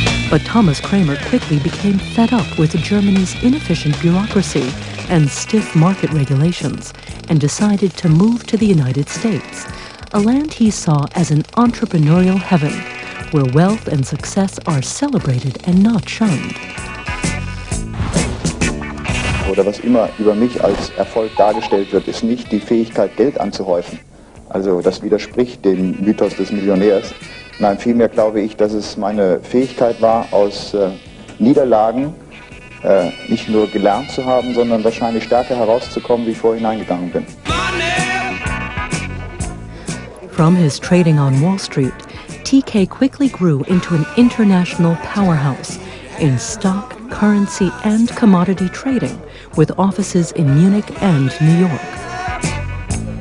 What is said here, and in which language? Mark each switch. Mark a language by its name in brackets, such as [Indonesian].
[English] But Thomas Kramer quickly became fed up with Germany's inefficient bureaucracy and stiff market regulations, and decided to move to the United States, a land he saw as an entrepreneurial heaven, where wealth and success are celebrated and not shunned. [German] Oder was immer über mich als Erfolg dargestellt wird, ist nicht die Fähigkeit, Geld anzuhäufen. Also das widerspricht dem Mythos des Millionärs. Nein, vielmehr glaube ich, dass es meine Fähigkeit war, aus Niederlagen nicht nur gelernt zu haben, sondern wahrscheinlich stärker herauszukommen, wie ich vorhin eingegangen bin. [English] From his trading on Wall Street, TK quickly grew into an international powerhouse in stock, currency and commodity trading, with offices in Munich and New York.